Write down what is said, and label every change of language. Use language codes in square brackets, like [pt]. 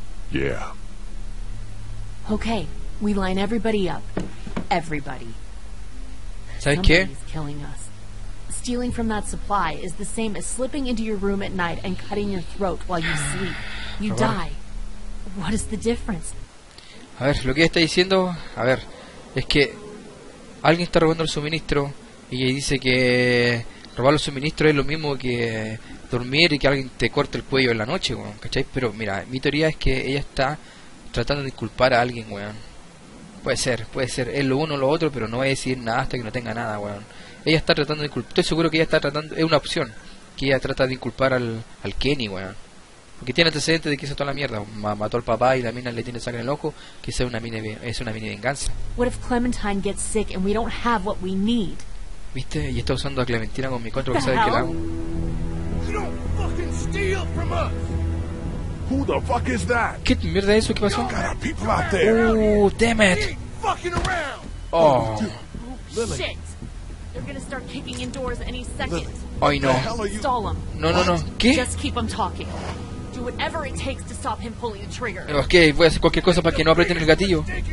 [en] Yeah. Okay, we line everybody up. Everybody. [es] ¿Sabes qué? [en] Somebody's killing us. Stealing from that supply is the same as slipping into your room at night and cutting your throat while you sleep. You die. What is the difference? [es] A ver, lo que ella está diciendo, a ver, es que alguien está robando el suministro y dice que robar los suministros es lo mismo que dormir y que alguien te corte el cuello en la noche, weón, ¿cachai? Pero mira, mi teoría es que ella está tratando de culpar a alguien, weón. Puede ser, es lo uno o lo otro, pero no va a decir nada hasta que no tenga nada, weón. Ella está tratando de culpar, estoy seguro que ella está tratando, es una opción, que ella trata de culpar al Kenny, weón. Porque tiene antecedentes de que hizo toda la mierda. Mató al papá y la mina le tiene sangre en el ojo. Que es una mini venganza. [en] What if Clementine gets sick and we don't have what we need? [es] ¿Viste? Y está usando a Clementina con mi contra, ¿sabes qué la hago? [en] You don't fucking steal from us. Who the fuck is that? [es] ¿Qué mierda es eso? ¿Qué pasó? [en] Got our people out there. Damn it. Fucking around. Oh. Lily. Shit. They're gonna start kicking indoors any second. [es] Ay, no. [en] Stall them. [es] No, no, no. ¿Qué? [en] Just keep them talking. Do whatever it takes to stop him pulling the trigger. [es] Pero okay, voy a hacer cualquier cosa para que no aprieten el gatillo.